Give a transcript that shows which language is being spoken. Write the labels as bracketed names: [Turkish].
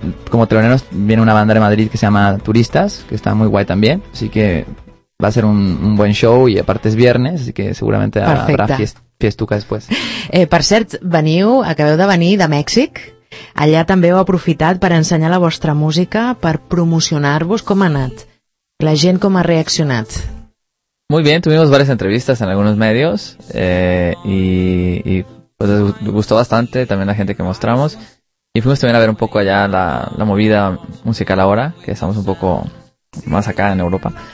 [Spanish] como teloneros, viene una banda de Madrid que se llama Turistas, que está muy guay también. Así que va a ser un buen show y aparte es viernes, así que seguramente habrá fiesta. Fiestuca después. [Catalan] Per cert, veniu, acabeu de venir de Mèxic. Allà també heu aprofitat per ensenyar la vostra música, per promocionar-vos. Com ha anat? La gent com ha reaccionat? [Spanish] Muy bien, tuvimos varias entrevistas en algunos medios y pues les gustó bastante también la gente que mostramos. Y fuimos también a ver un poco allá la movida musical ahora, que estamos un poco más acá en Europa.